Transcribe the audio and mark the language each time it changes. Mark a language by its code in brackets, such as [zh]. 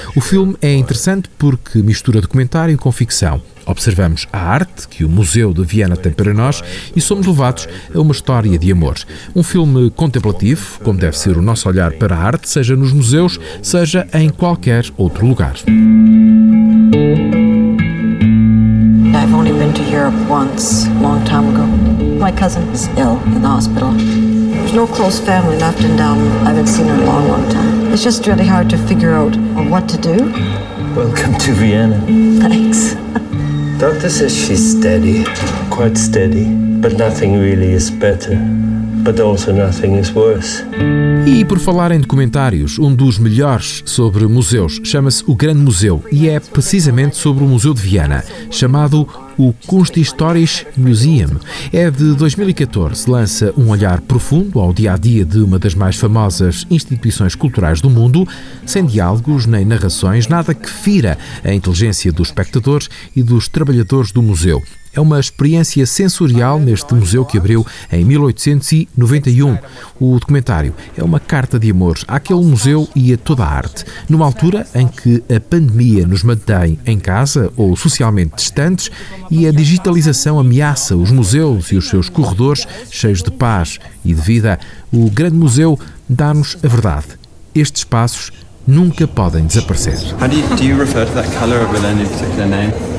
[pt] O filme é interessante porque mistura documentário com ficção. Observamos a arte que o Museu de Viena tem para nós e somos levados a uma história de amor. Um filme contemplativo, como deve ser o nosso olhar para a arte, seja nos museus, seja em qualquer outro lugar. [en] I've only been to Europe once, a long time ago. My cousin is ill in the hospital. There's no close family left in Dublin. I haven't seen her in a long, long time. It's just really hard to figure out what to do. Welcome to Vienna. Thanks. Doctor says she's steady, quite steady, but nothing really is better. But also nothing is worse. [pt] E por falar em documentários, um dos melhores sobre museus chama-se O Grande Museu e é precisamente sobre o Museu de Viena, chamado o Kunsthistorisches Museum. É de 2014, lança um olhar profundo ao dia-a-dia de uma das mais famosas instituições culturais do mundo, sem diálogos nem narrações, nada que fira a inteligência dos espectadores e dos trabalhadores do museu. É uma experiência sensorial neste museu que abriu em 1891. O documentário é uma carta de amor àquele museu e a toda a arte. Numa altura em que a pandemia nos mantém em casa ou socialmente distantes e a digitalização ameaça os museus e os seus corredores cheios de paz e de vida, o Grande Museu dá-nos a verdade. Estes espaços nunca podem desaparecer. [en] Do you refer to that color with any particular name?